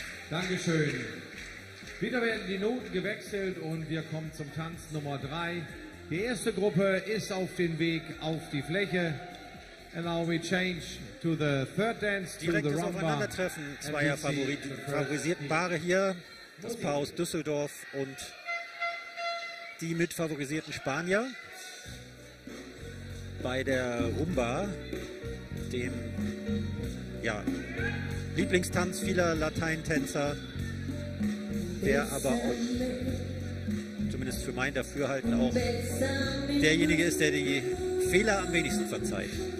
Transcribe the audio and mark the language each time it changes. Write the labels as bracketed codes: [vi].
[de] Dankeschön. Wieder werden die Noten gewechselt und wir kommen zum Tanz Nummer 3. Die erste Gruppe ist auf dem Weg auf die Fläche. [en] And now we change to the third dance, [de] direkt [en] to the [de] rumba. Direktes Aufeinandertreffen zweier favorisierten Paare hier. Das Paar aus Düsseldorf und die mitfavorisierten Spanier bei der Rumba, dem ja, Lieblingstanz vieler Lateintänzer, der aber auch, zumindest für mein Dafürhalten, auch derjenige ist, der die Fehler am wenigsten verzeiht.